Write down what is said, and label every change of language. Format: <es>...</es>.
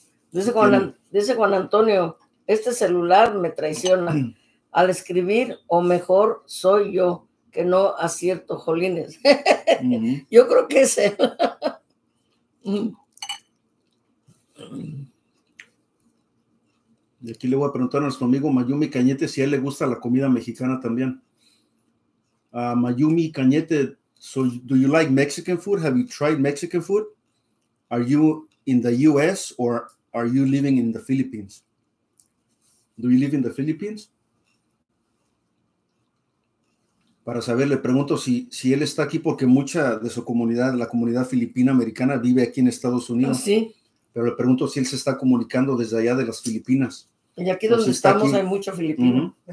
<es>Dice Juan Antonio, este celular me traiciona al escribir, o mejor soy yo que no acierto, jolines. Uh-huh. Yo creo que es él. Y aquí le voy a preguntar a nuestro amigo Mayumi Cañete si a él le gusta la comida mexicana también.</es> <en>Mayumi Cañete, so do you like Mexican food? Have you tried Mexican food? Are you in the US or are you living in the Philippines? Do you live in the Philippines?</en> <es>Para saber, le pregunto si él está aquí, porque mucha de su comunidad, la comunidad filipina americana, vive aquí en Estados Unidos. ¿Sí? Pero le pregunto si él se está comunicando desde allá de las Filipinas. Y aquí donde estamos aquí, hay mucho filipino. Uh-huh.</es>